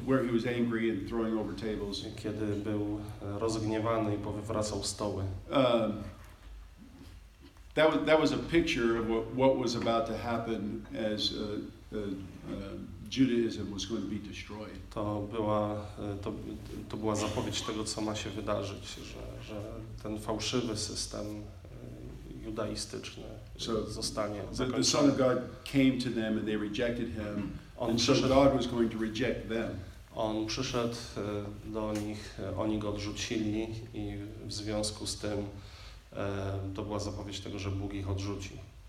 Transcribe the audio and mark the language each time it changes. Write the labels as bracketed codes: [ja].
[en] where he was angry and throwing over tables. [pl] Kiedy był rozgniewany i powywracał stoły. [en] That was a picture of what was about to happen as Judaism was going to be destroyed. [pl] To była zapowiedź tego, co ma się wydarzyć, że ten fałszywy system judaistyczny zostanie zakończony. [en] The Son of God came to them and they rejected him. God was going to reject them. [pl] On przyszedł do nich, oni go odrzucili i w związku z tym to była zapowiedź tego, że Bóg ich odrzuci.